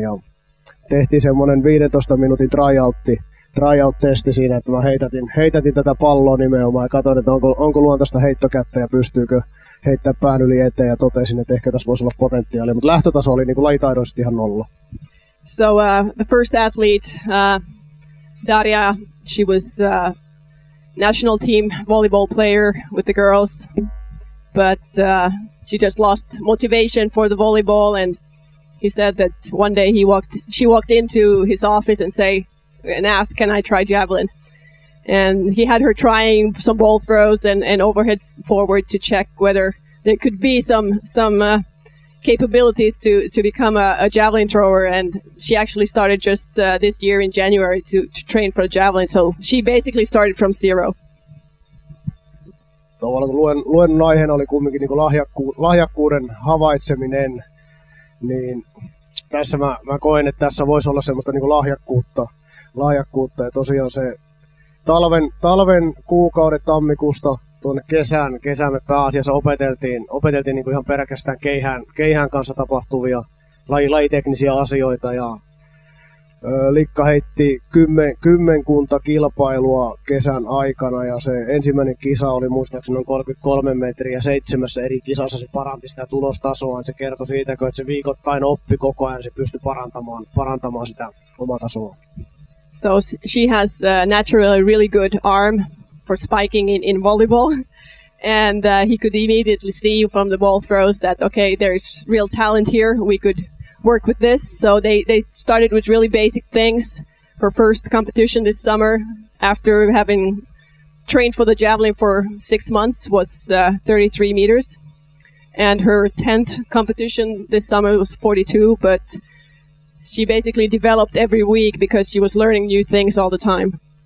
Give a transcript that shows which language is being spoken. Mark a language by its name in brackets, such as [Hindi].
[Finnish] Ja tehtiin semmoinen 15 minuutin tryout-testi siinä, että mä heitätin tätä palloa nimenomaan ja katsoin, että onko luontaista heittokättä ja pystyykö heittämään pään yli eteen, ja totesin, että ehkä tässä voisi olla potentiaalia, mutta lähtötaso oli niin kuin lajitaidollisesti ihan nolla. [English] So the first athlete, Daria, she was national team volleyball player with the girls, but she just lost motivation for the volleyball, and he said that one day she walked into his office and asked, can I try javelin? And he had her trying some ball throws and overhead forward to check whether there could be some capabilities to become a javelin thrower. And she actually started just this year in January to train for a javelin. So she basically started from zero. [Finnish] Tavallaan kun luennon aiheena oli kumminkin niin kuin lahjakkuuden havaitseminen, niin tässä mä koen, että tässä voisi olla semmoista niin kuin lahjakkuutta. Ja tosiaan se talven kuukaudet tammikuusta tuonne kesään me pääasiassa opeteltiin niin kuin ihan peräkästään keihään kanssa tapahtuvia lajiteknisiä asioita, ja Likka heitti kymmenkunta kilpailua kesän aikana, ja se ensimmäinen kisa oli muistaakseni noin 33 metriä, ja seitsemässä eri kisassa se paranti sitä tulostasoa, se kertoi siitä, että se viikoittain oppi koko ajan, se pystyi parantamaan sitä omaa tasoa. [English] So she has naturally a really good arm for spiking in volleyball, and he could immediately see from the ball throws that, okay, there's real talent here, we could work with this. So they started with really basic things. Her first competition this summer, after having trained for the javelin for 6 months, was 33 meters, and her 10th competition this summer was 42, but she basically developed every week because she was learning new things all the time.